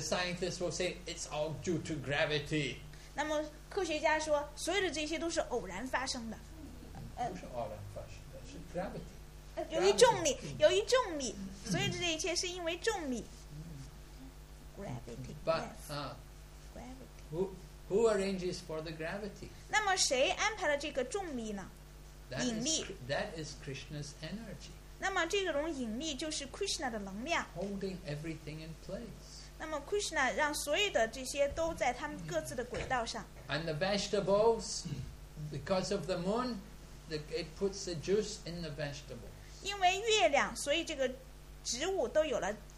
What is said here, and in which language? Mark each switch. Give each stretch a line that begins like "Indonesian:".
English: scientists will say it's all due to gravity.
Chinese: 那么科学家说，所有的这些都是偶然发生的。不是偶然发生的，是gravity。由于重力，所以这一切是因为重力。
English: Gravity. Who arranges for the gravity?
Chinese: 那么谁安排了这个重力呢? 引力.
English: That is Krishna's energy.
Chinese: 那么这种引力就是 Krishna的能量.
English: Holding everything in place.
Chinese: 那么 Krishna让所有的这些都在他们各自的轨道上.
English: And the vegetables, because of the moon, it puts the juice in the vegetables.
Chinese: 因为月亮，所以这个植物都有了。